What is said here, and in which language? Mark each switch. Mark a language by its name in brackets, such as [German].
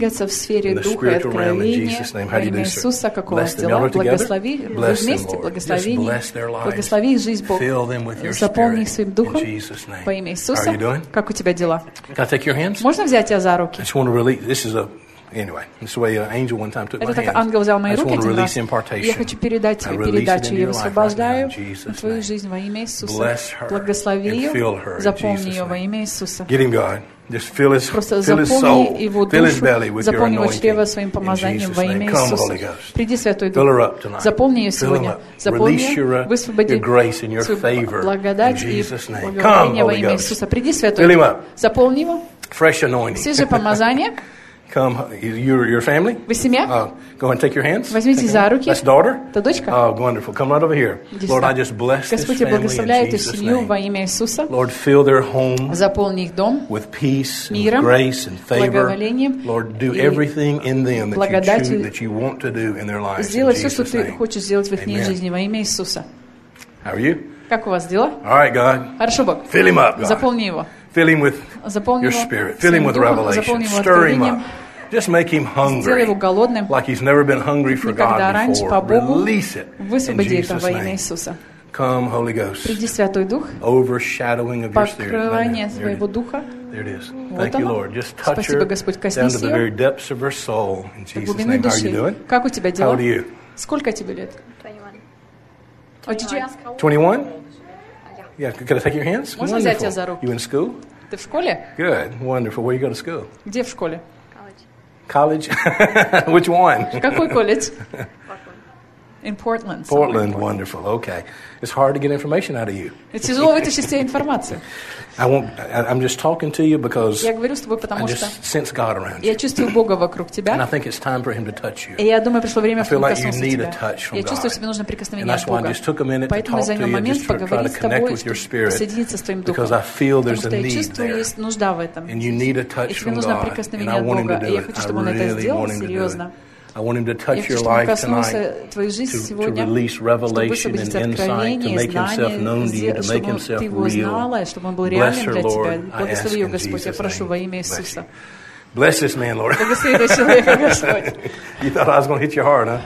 [English] the spiritual realm in Jesus' name. How do you do, sir? Bless them. Y'all are together? Bless them, Lord. Just bless their lives. Fill them with your Spirit in Jesus' name. How are you doing? Can I take your hands? I just want to release. This is a Anyway, this is the way an angel one time took [Russian] это [English] my hand. [Russian] Это как ангел взял мои руки. [English] I just want to release impartation. [Russian] Я хочу передать ей передачу. Я высвобождаю твою жизнь во имя Иисуса. [English] Bless her. [Russian] Благослови ее. [English] And fill her. [Russian] Заполни ее во имя Иисуса. [English] Get him, God. Just fill his soul. Fill his belly with your anointing. [Russian] Заполни его чрево своим помазанием во имя Иисуса. [English] Come, Holy Ghost. [Russian] Приди, Святой Дух. [English] Fill her up tonight. [Russian] Заполни ее сегодня. [English] Release your grace and your favor. [Russian] Благодать [English] in Jesus' name. Come, Holy Ghost. [Russian] Приди, Святой Дух. Заполни его. [English] Fresh anointing. [Russian] Свежее помазание. [English] Come, your family. [Russian] Вы семья? [English] Go ahead and take your hands. [Russian] Возьмите за руки. [English] That's daughter. [Russian] Это дочка. [English] Oh, wonderful. Come right over here. Lord, I just bless this family. [Russian] Господи, благословляю эту семью во имя Иисуса. [English] Lord, fill their home. [Russian] Заполни их дом. [English] With peace, and grace, and favor. [Russian] Благоволением. [English] Lord, do everything in them that you want to do in their lives. [Russian] Сделай все, что ты хочешь сделать в их жизни во имя Иисуса. [English] How are you? [Russian] Как у вас дела? [English] All right, God. [Russian] Хорошо, Бог. [English] Fill him up, God. [Russian] Заполни его. [English] Fill him with your spirit. Fill him with revelation. Stir him up. Just make him hungry. [Russian] Сделай его голодным. [English] Like he's never been hungry for God before. Release it. [Russian] Высвободи это во имя Иисуса. [English] Come, Holy Ghost. [Russian] Приди, Святой Дух. [English] Overshadowing of your spirit. [Russian] Покрывание своего духа. [English] There it is. Thank you, Lord. Just touch her. [Russian] Спасибо, Господь, коснись ее. [English] Down to the very depths of her soul. In Jesus' name. How are you doing? [Russian] Как у тебя дела? [English] How old are you? [Russian] Сколько тебе лет? [English] 21. Did you ask? 21? Yeah, can I take your hands? [Russian] Можно взять тебя за руки? [English] You in school? [Russian] Ты в школе? [English] Good, wonderful. Where you go to school? [Russian] Где в школе? [English] College. College? Which one? [Russian] Какой колледж? [English] Portland. In Portland. Portland, wonderful. Okay. It's hard to get information out of you. [Russian] Это тяжело вытащить тебе информацию. [English] I'm just talking to you because [Russian] я говорю с тобой, потому [English] I just sense God around you. [Russian] Я чувствую Бога вокруг тебя. [English] And I think it's time for him to touch you. [Russian] И я думаю, пришло время, чтобы он коснулся тебя. [English] I feel like you need a touch from God. [Russian] Я чувствую, тебе нужно прикосновение от Бога. [English] And that's why I just took a minute to talk to you, just try to connect with your spirit. Because I feel there's a need there. [Russian] Нужда в этом. [English] And you need a touch from God. [Russian] И тебе нужно прикосновение от Бога. [English] And I want him to do it. [Russian] Я хочу, чтобы он это сделал. [English] I want him to touch your life tonight, to release revelation and insight, to make himself known to you, to make himself real. Bless her, Lord, I ask in Jesus' name. Bless this man, Lord. You thought I was going to hit you hard, huh?